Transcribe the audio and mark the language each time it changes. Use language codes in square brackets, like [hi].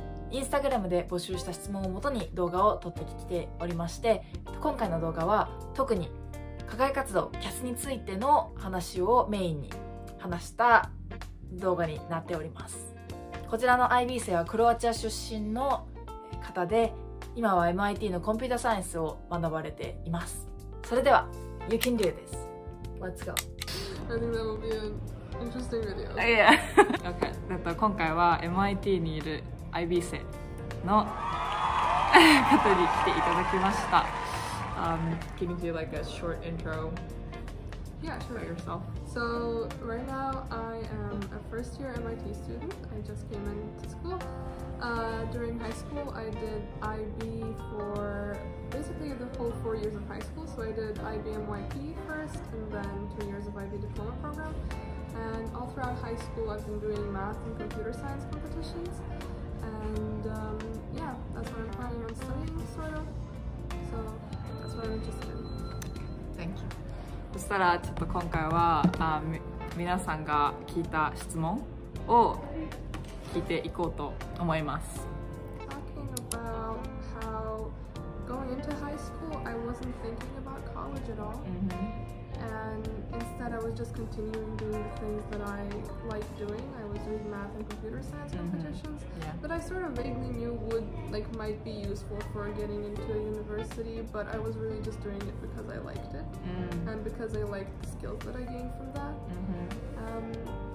[ja] インスタグラムで募集した質問をもとに動画を撮ってきておりまして、今回の動画は特に課外活動キャスについての話をメインに話した動画になっております。こちらの IB 生はクロアチア出身の方で、今は MIT のコンピュータサイエンスを学ばれています。 [en] それでは You can do this. Let's go. I think that will be an interesting video. Yeah. [ja] OK. 今回は MIT にいる IB 生の方に来ていただきました。 [en] Can you do like a short intro? Yeah, sure. Yourself. So right now I am a first year MIT student. I just came into school. During high school, I did IB for basically the whole 4 years of high school. So I did IB MYP first and then 2 years of IB diploma program. And all throughout high school, I've been doing math and computer science competitions. And yeah, that's what I'm planning on studying, sort of. So that's what I'm interested in. Thank you. [ja] そしたらちょっと今回は皆さんが聞いた質問を聞いていこうと思います。 [en] Talking about how going into high school I wasn't thinking about college at all、mm-hmm. and instead I was just continuing doing the things that I like doing. I was doing math and computer science competitions、mm-hmm. yeah. that I sort of vaguely knew would like might be useful for getting into a university, but I was really just doing it because I liked itand because I like the skills that I gained from that.、Mm-hmm.